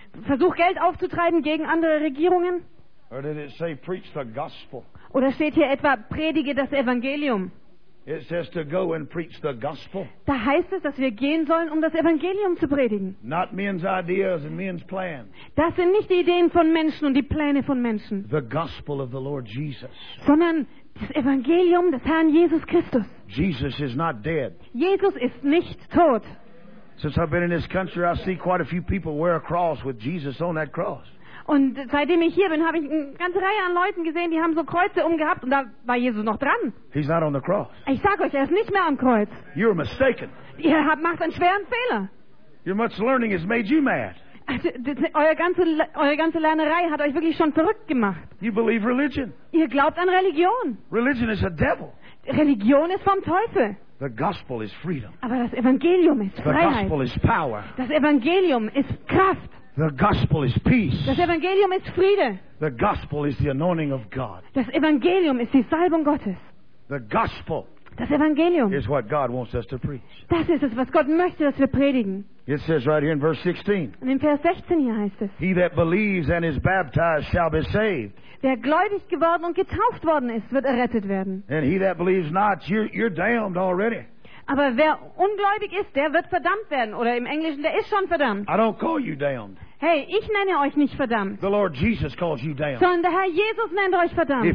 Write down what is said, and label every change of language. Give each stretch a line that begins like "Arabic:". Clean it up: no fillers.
German: Versuch Geld aufzutreiben gegen andere Regierungen.
English: Or did it say preach the gospel?
German: Oder steht hier etwa predige das Evangelium?
English: It says to go and preach the gospel.
German: Da heißt es, dass wir gehen sollen, um das Evangelium zu predigen.
English: Not men's ideas and men's plans.
German: Das sind nicht die Ideen von Menschen und die Pläne von Menschen.
English: The gospel of the Lord Jesus.
German: Sondern das Evangelium des Herrn Jesus Christus.
English: Jesus is not dead.
German: Jesus ist nicht tot.
English: Since I've been in this country, I see quite a few people wear a cross with Jesus on that cross.
German: Und seitdem ich hier bin, habe ich eine ganze Reihe an Leuten gesehen, die haben so Kreuze umgehabt und da war Jesus noch dran.
English: He's not on the cross.
German: Ich sage euch, er ist nicht mehr am Kreuz.
English: You're mistaken.
German: Ihr macht einen schweren Fehler.
English: Your much learning has made you mad.
German: Also, eure ganze Lernerei hat euch wirklich schon verrückt gemacht.
English: You believe religion.
German: Ihr glaubt an Religion.
English: Religion is a devil.
German: Religion ist vom Teufel.
English: The gospel is freedom.
German: Aber das Evangelium ist
English: the
German: Freiheit.
English: Gospel is power.
German: Das Evangelium ist Kraft.
English: The gospel is peace.
German: Das Evangelium ist Friede.
English: The gospel is the anointing of God.
German: Das Evangelium ist die Salbung Gottes.
English: The gospel.
German: Das Evangelium.
English: Is what God wants us to preach.
German: Das ist es, was Gott möchte, dass wir predigen.
English: It says right here in verse 16.
German: Und in Vers 16 hier heißt es.
English: He that believes and is baptized shall be saved.
German: Der gläubig geworden und getauft worden ist, wird errettet werden.
English: And he that believes not, you're damned already.
German: Aber wer ungläubig ist, der wird verdammt werden. Oder im Englischen, der ist schon verdammt.
English: I don't call you damned.
German: Hey, ich nenne euch nicht verdammt.
English: The Lord Jesus calls you damned.
German: Sondern der Herr Jesus nennt euch verdammt.